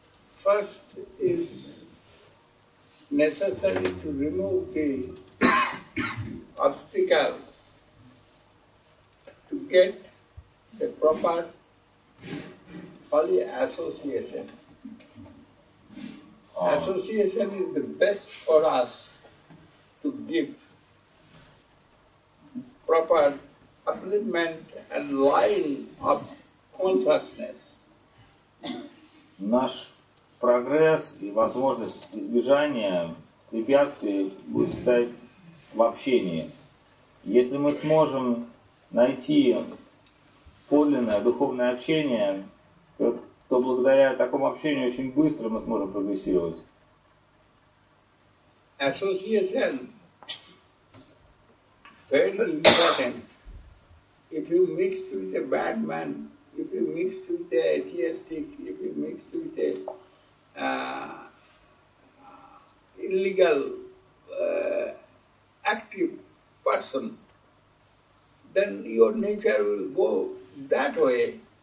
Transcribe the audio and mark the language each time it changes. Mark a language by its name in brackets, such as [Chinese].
[English] First, it's necessary to remove the obstacles to get the proper holy association. Association is the best for us to give proper upliftment and line of consciousness. [Russian] Наш прогресс и возможность избежания препятствий будет стоять в общении. Если мы сможем найти подлинное духовное общение, то благодаря такому общению очень быстро мы сможем прогрессировать. [English] Association very important. If you mix with a bad man, if you mix with a atheistic, if you mix with a illegal active person, then your nature will go that way.